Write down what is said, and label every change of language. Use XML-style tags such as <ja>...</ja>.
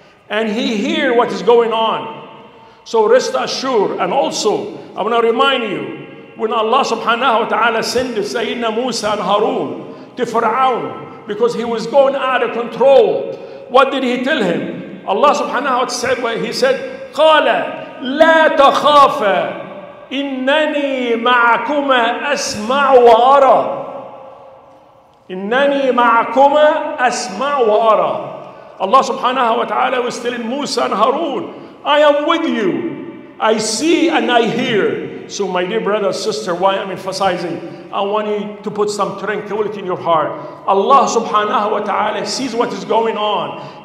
<en>And He hear what is going on. So rest assured. And also, I want to remind you, when Allah subhanahu wa ta'ala sent Sayyidina Musa and Harun to Fir'aun, because he was going out of control, what did he tell him? Allah subhanahu wa ta'ala said, he said,</en> <ar>قَالَ لَا تَخَافَ إِنَّنِي مَعَكُمَ أَسْمَعُ وَأَرَى إِنَّنِي مَعَكُمَ أَسْمَعُ وَأَرَى.</ar> <en>Allah subhanahu wa ta'ala was telling Musa and Harun, I am with you. I see and I hear. So my dear brother, sister, why I'm emphasizing, I want you to put some tranquility in your heart. Allah subhanahu wa ta'ala sees what is going on.</en>